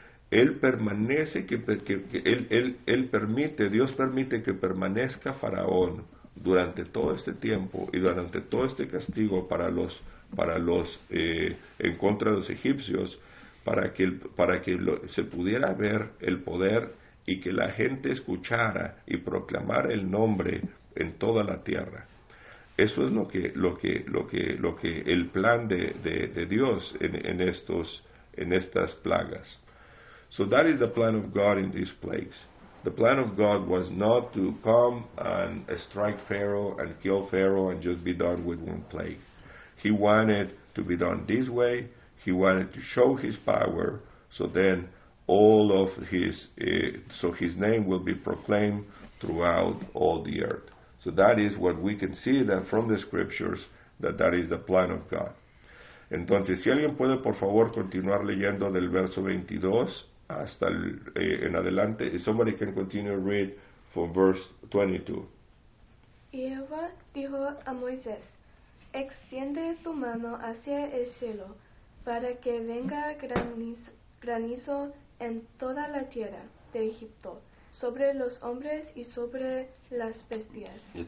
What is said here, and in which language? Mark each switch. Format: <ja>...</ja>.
<es>Él permanece, él permite, Dios permite que permanezca Faraón durante todo este tiempo y durante todo este castigo para los en contra de los egipcios, para que se pudiera ver el poder y que la gente escuchara y proclamara el nombre en toda la tierra. Eso es lo que el plan de Dios en estas plagas.</es> <en>So that is the plan of God in these plagues. The plan of God was not to come and strike Pharaoh and kill Pharaoh and just be done with one plague. He wanted to be done this way. He wanted to show his power. So then all of his name will be proclaimed throughout all the earth. So that is what we can see that from the scriptures, that is the plan of God.</en> <es>Entonces, si alguien puede, por favor, continuar leyendo del verso 22 hasta en adelante.</es> <en>If somebody can continue read from verse 22.</en> <es>Jehová dijo a Moisés, extiende tu mano hacia el cielo para que venga granizo en toda la tierra de Egipto, sobre los hombres y sobre las bestias.</es>